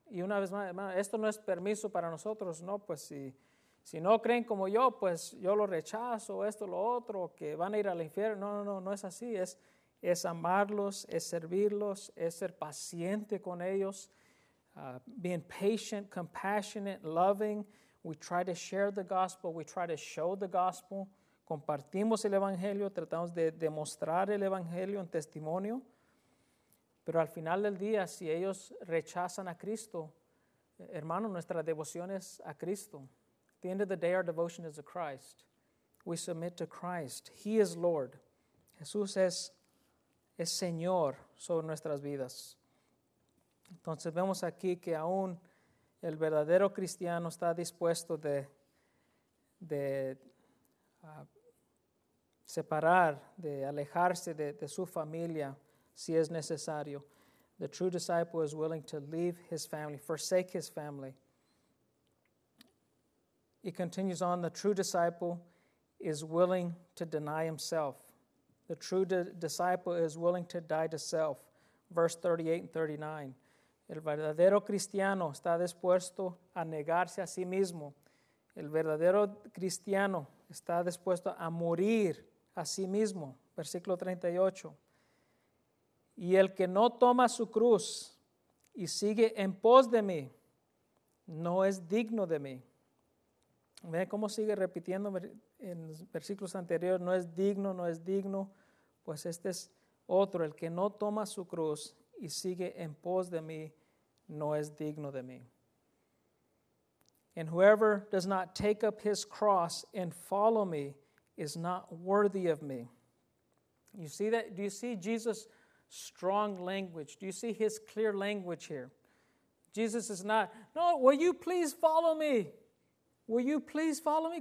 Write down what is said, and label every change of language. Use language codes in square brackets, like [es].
[es] Y una vez más, hermano, esto no es permiso para nosotros, ¿no? Pues si no creen como yo, pues yo lo rechazo, esto, lo otro, que van a ir al infierno. No es así. Es amarlos, es servirlos, es ser paciente con ellos. [en] Being patient, compassionate, loving. We try to share the gospel. We try to show the gospel. [es] Compartimos el evangelio, tratamos de demostrar el evangelio en testimonio. Pero al final del día, si ellos rechazan a Cristo, hermano, nuestra devoción es a Cristo. [en] At the end of the day, our devotion is to Christ. We submit to Christ. He is Lord. [es] Jesús es Señor sobre nuestras vidas. Entonces vemos aquí que aún el verdadero cristiano está dispuesto de separar, de alejarse de su familia si es necesario. [en] The true disciple is willing to leave his family, forsake his family. He continues on, the true disciple is willing to deny himself. The true disciple is willing to die to self. Verse 38 and 39. [es] El verdadero cristiano está dispuesto a negarse a sí mismo. El verdadero cristiano está dispuesto a morir a sí mismo. Versículo 38. Y el que no toma su cruz y sigue en pos de mí, no es digno de mí. ¿Ve cómo sigue repitiendo en versículos anteriores? No es digno, no es digno. Pues este es otro. El que no toma su cruz y sigue en pos de mí, no es digno de mí. [en] And whoever does not take up his cross and follow me is not worthy of me. You see that? Do you see Jesus' strong language? Do you see his clear language here? Jesus is not, no, will you please follow me? Will you please follow me?